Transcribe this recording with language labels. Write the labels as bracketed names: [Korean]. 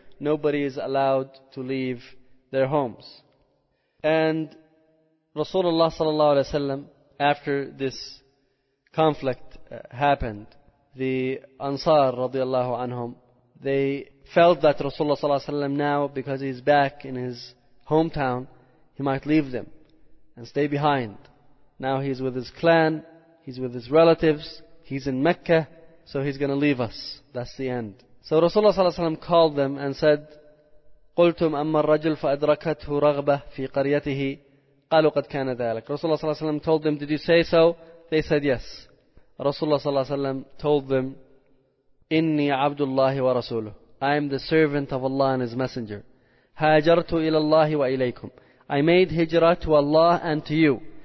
[English] Nobody is allowed to leave their homes. And Rasulullah sallallahu alayhi wa sallam, after this conflict happened, the Ansar radiallahu anhum, they felt that Rasulullah sallallahu alayhi wa sallam now, because he's back in his hometown, he might leave them and stay behind. Now he's with his clan, he's with his relatives, he's in Mecca, so he's going to leave us. That's the end. So Rasulullah sallallahu alayhi wa sallam called them and said, [Arabic] قُلْتُمْ أَمَّا الرَّجُلْ فَأَدْرَكَتْهُ رَغْبَةِ فِي قَرْيَتِهِ قَالُوا قَدْ كَانَ ذَلَكَ. [English] Rasulullah sallallahu alayhi wa sallam told them, did you say so? They said yes. Rasulullah sallallahu alayhi wa sallam told them, [Arabic] إِنِّي عَبْدُ اللَّهِ وَرَسُولُهُ. [English] I am the servant of Allah and His Messenger. [Arabic] هَاجَرْتُ إِلَى اللَّهِ وَإِلَيْكُمْ. [English] I made hijrah to Allah and to you.